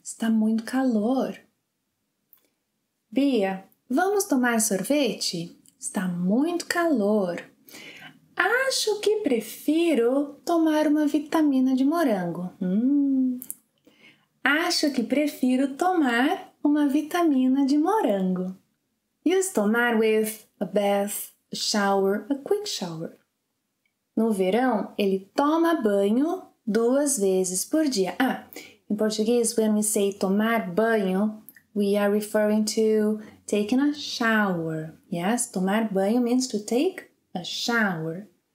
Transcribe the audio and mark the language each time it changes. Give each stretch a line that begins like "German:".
Portuguese: Está muito calor. Bia, vamos tomar sorvete? Está muito calor. Acho que prefiro tomar uma vitamina de morango. Acho que prefiro tomar uma vitamina de morango.
English: Use tomar with a bath, a shower, a quick shower.
Portuguese: No verão, ele toma banho duas vezes por dia.
English: Ah, in Portuguese, when we say tomar banho, we are referring to taking a shower. Yes, tomar banho means to take a shower.